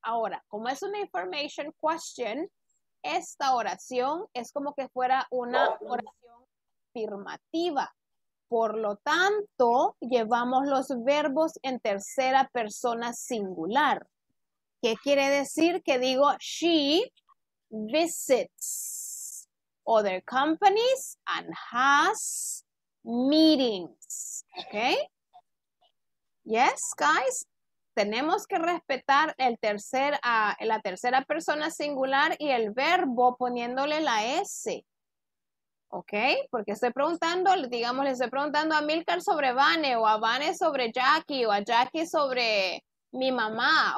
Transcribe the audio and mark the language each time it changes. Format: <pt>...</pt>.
<es>Ahora, como es una</es> <en>information question,</en> <es>esta oración es como que fuera una oración afirmativa. Por lo tanto, llevamos los verbos en tercera persona singular. ¿Qué quiere decir? Que digo,</es> <en>she visits other companies and has meetings. ¿Ok? Yes, guys.</en> <es>Tenemos que respetar la tercera persona singular y el verbo poniéndole la S. ¿Ok? Porque estoy preguntando, digamos, le estoy preguntando a Milcar sobre Vane, o a Vane sobre Jackie, o a Jackie sobre mi mamá.</es>